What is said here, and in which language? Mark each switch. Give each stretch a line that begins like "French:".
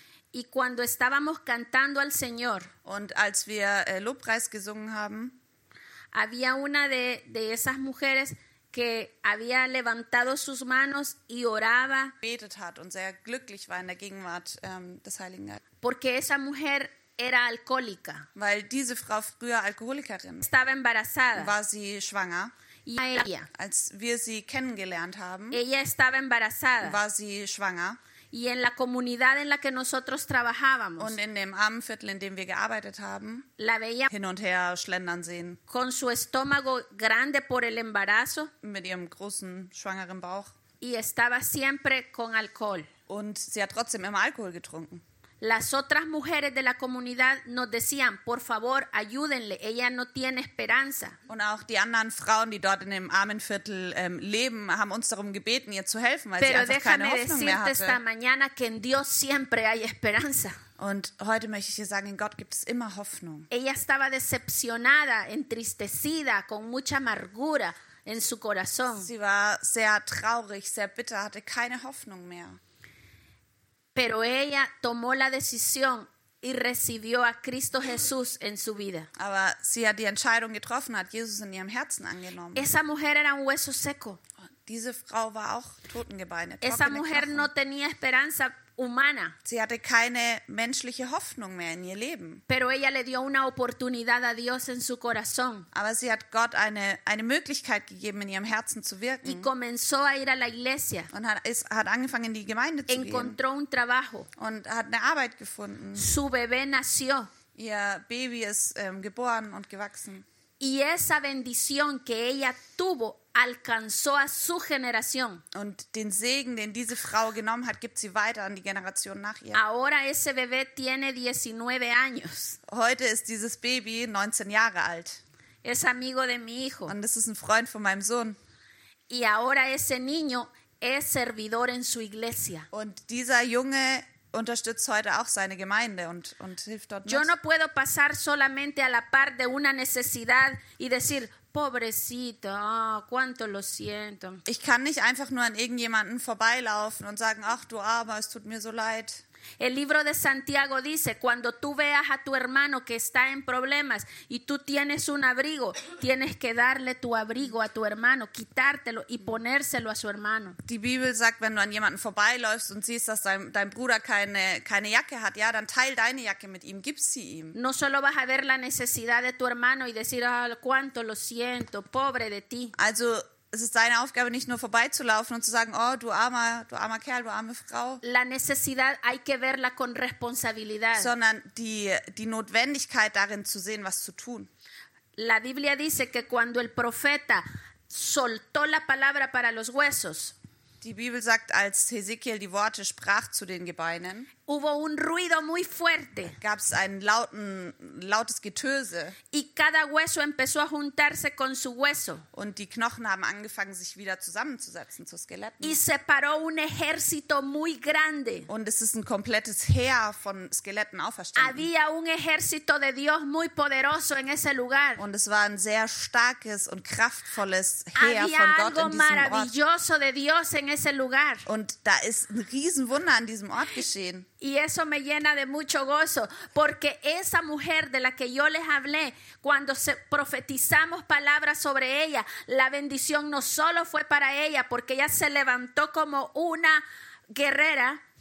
Spanish: Y cuando estábamos cantando al Señor.
German: Und als wir Lobpreis gesungen haben,
Spanish: había una de esas mujeres que había levantado sus manos y oraba.
German: Betet hat und sehr glücklich war in der Gegenwart des Heiligen Geistes.
Spanish: Porque esa mujer era alcohólica.
German: Weil diese Frau früher Alkoholikerin war.
Spanish: Estaba embarazada.
German: War sie schwanger.
Spanish: Y a ella.
German: Als wir sie kennengelernt haben.
Spanish: Ella estaba embarazada.
German: War sie schwanger.
Spanish: Y en la comunidad en la que nosotros trabajábamos.
German: Und in dem armen Viertel, in dem wir gearbeitet haben.
Spanish: La veía
German: hin und her schlendern sehen.
Spanish: Con su estómago grande por el embarazo.
German: Mit ihrem großen schwangeren Bauch.
Spanish: Y estaba siempre con alcohol.
German: Und sie hat trotzdem immer Alkohol getrunken.
Spanish: Las otras mujeres de la comunidad nos decían, por favor, ayúdenle, ella no tiene esperanza.
German: Und auch die anderen Frauen, die dort in dem armen Viertel leben, haben uns darum gebeten, ihr zu helfen, weil
Spanish: Pero
German: sie einfach keine Hoffnung mehr hatte.
Spanish: Déjame decirte esta mañana que en Dios siempre hay esperanza.
German: Und heute möchte ich dir sagen, in Gott gibt es immer Hoffnung.
Spanish: Ella estaba decepcionada, entristecida, con mucha amargura en su corazón.
German: Sie war sehr traurig, sehr bitter, hatte keine Hoffnung mehr.
Spanish: Pero ella tomó la decisión y recibió a Cristo Jesús en su vida.
German: Aber sie hat die Entscheidung getroffen, hat Jesus in ihrem Herzen angenommen.
Spanish: Esa mujer era un hueso seco.
German: Diese Frau war auch Totengebeine.
Spanish: Esa mujer no tenía esperanza humana.
German: Sie hatte keine menschliche Hoffnung mehr in ihr Leben.
Spanish: Pero ella le dio una oportunidad a Dios en su corazón.
German: Aber sie hat Gott eine Möglichkeit gegeben, in ihrem Herzen zu wirken.
Spanish: Y comenzó a ir a la iglesia.
German: Und hat angefangen, in die Gemeinde zu
Spanish: Encontró
German: gehen.
Spanish: Un trabajo.
German: Und hat eine Arbeit gefunden.
Spanish: Su bebé nació.
German: Ihr Baby ist geboren und gewachsen.
Spanish: Y esa bendición que ella tuvo alcanzó a su generación.
German: Und den Segen, den diese Frau genommen hat, gibt sie weiter an die Generation nach ihr.
Spanish: Ahora ese bebé tiene 19 años.
German: Heute ist dieses Baby 19 Jahre alt.
Spanish: Es amigo de mi hijo.
German: Und es ist ein Freund von meinem Sohn.
Spanish: Y ahora ese niño es servidor en su iglesia.
German: Und dieser Junge unterstützt heute auch seine Gemeinde und hilft dort mit.
Spanish: Yo no puedo pasar solamente a la par de una necesidad y decir pobrecito, oh, cuánto lo siento.
German: Ich kann nicht einfach nur an irgendjemanden vorbeilaufen und sagen, ach du Armer, es tut mir so leid.
Spanish: El libro de Santiago dice, cuando tú veas a tu hermano que está en problemas y tú tienes un abrigo, tienes que darle tu abrigo a tu hermano, quitártelo y ponérselo a su hermano.
German: Die Bibel sagt, wenn du an jemanden vorbeiläufst und siehst, dass dein Bruder keine Jacke hat, ja, dann teil deine Jacke mit ihm, gib sie ihm.
Spanish: No solo vas a ver la necesidad de tu hermano y decir, oh, cuánto lo siento, pobre de ti.
German: Also, es ist deine Aufgabe, nicht nur vorbeizulaufen und zu sagen, oh, du armer Kerl, du arme Frau.
Spanish: La necesidad hay que verla con responsabilidad.
German: Sondern die Notwendigkeit darin zu sehen, was zu tun.
Spanish: La Biblia dice que cuando el profeta soltó la palabra para los huesos.
German: Die Bibel sagt, als Hesekiel die Worte sprach zu den Gebeinen.
Spanish: Hubo un ruido muy fuerte.
German: Gab's ein lautes Getöse.
Spanish: Y cada hueso empezó a juntarse con su hueso.
German: Und die Knochen haben angefangen, sich wieder zusammenzusetzen zu Skeletten.
Spanish: Y se paró un ejército muy grande.
German: Und es ist ein komplettes Heer von Skeletten auferstanden.
Spanish: Había un ejército de Dios muy poderoso en ese lugar.
German: Und es war ein sehr starkes und kraftvolles Heer
Spanish: Había
German: von Gott in diesem Ort.
Spanish: Había algo maravilloso de Dios en ese lugar.
German: Und da ist ein Riesenwunder an diesem Ort geschehen.
Spanish: Y eso me llena de mucho gozo, porque esa mujer de la que yo les hablé, cuando profetizamos palabras sobre ella, la bendición no solo fue para ella, porque ella se levantó como una guerrera.